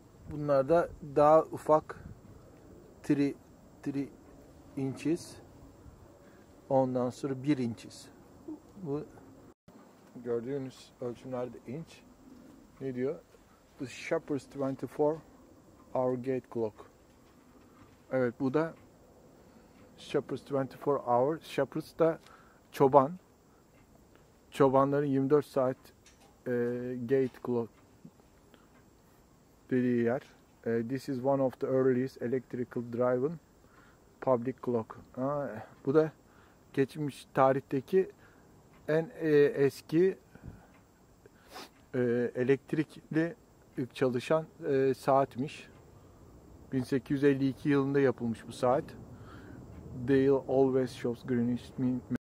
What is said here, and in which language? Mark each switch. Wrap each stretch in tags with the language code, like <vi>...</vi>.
<tr>Bunlar da daha ufak, 3 inches. Ondan sonra 1 inçiz. Bu gördüğünüz ölçümlerde inç. Ne diyor?</tr> <en>The Shepherd's 24 hour gate clock.</en> <tr>Evet, bu da Shepherd's 24 hour. Shepherd's da çoban. Çobanların 24 saat gate clock dediği yer.</tr> <en>This is one of the earliest electrical driven public clock.</en> <tr>Bu da geçmiş tarihteki en eski elektrikli çalışan saatmiş. 1852 yılında yapılmış bu saat.</tr> <en>Dial always shows Greenwich Mean.</en>